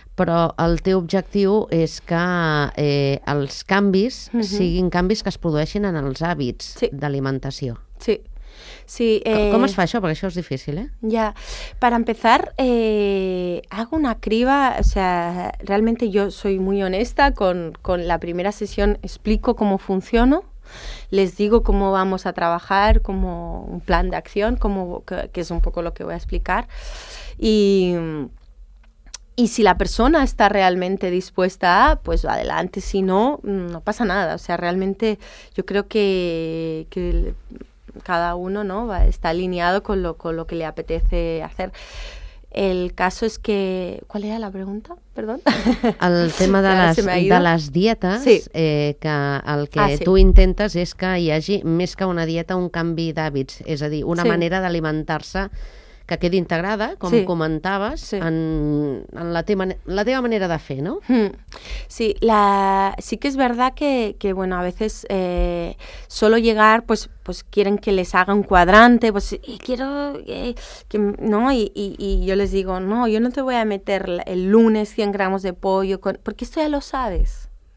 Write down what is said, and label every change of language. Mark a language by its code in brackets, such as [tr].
[ca] Però el teu objectiu és que els canvis siguin canvis que es produeixin en els hàbits d'alimentació. Sí. Sí, com es fa això? Perquè això és difícil, eh? [es] Ja, per empezar, hago una criba, o sea, realmente yo soy muy honesta, con la primera sesión explico cómo funciono, les digo cómo vamos a trabajar, como un plan de acción, como que es un poco lo que voy a explicar, y si la persona está realmente dispuesta, pues adelante, si no, no pasa nada, o sea, realmente yo creo que cada uno, ¿no?, está alineado con lo que le apetece hacer. El caso es que... ¿Cuál era la pregunta? Perdón. [ca] El tema de les, de les dietes, sí. Que el que tu intentes és que hi hagi més que una dieta, un canvi d'hàbits, és a dir, una manera d'alimentar-se que quedi integrada, com comentaves, en la teva manera de fer, no? [es] Sí, sí que es verdad que bueno, a veces solo llegar, pues quieren que les haga un cuadrante, pues quiero que no, y yo les digo, no, yo no te voy a meter el lunes 100 gramos de pollo, porque esto ya lo sabes.